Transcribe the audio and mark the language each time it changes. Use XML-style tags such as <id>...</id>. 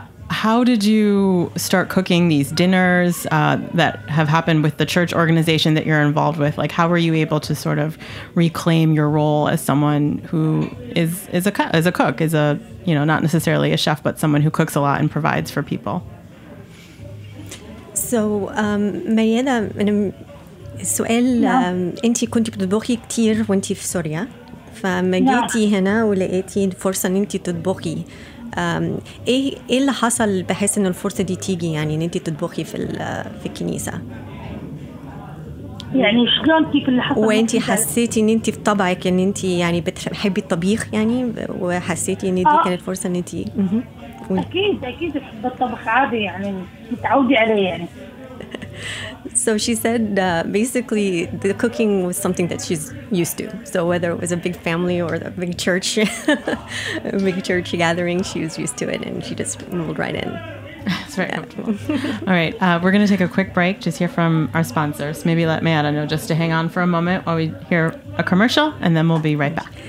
<en>How did you start cooking these dinners that have happened with the church organization that you're involved with? Like, how were you able to sort of reclaim your role as someone who is a cook, is a, you know, not necessarily a chef, but someone who cooks a lot and provides for people?</en> <ar>So, Mayeda, سؤال انت كنت بتطبخي كتير وانت في سوريا فما جيتي هنا ولقيتي فرصة ان انت تطبخي إيه اللي حصل بحيث إن الفرصة دي تيجي يعني إن أنت تطبخي في الكنيسة؟ يعني شلون كيف اللي حصل؟ وأنت حسيتي إن أنت في طبعك إن أنت يعني بتحبي الطبيخ يعني وحسيتي إن دي كانت فرصة إن أنت أكيد بحب الطبخ عادي يعني متعودي عليه يعني.</ar> <en>So she said basically the cooking was something that she's used to. So whether it was a big family or a big church, a big church gathering, she was used to it and she just rolled right in. It's very comfortable. All right, we're going to take a quick break, just hear from our sponsors. Maybe let Mayada know just to hang on for a moment while we hear a commercial and then we'll be right back.</en>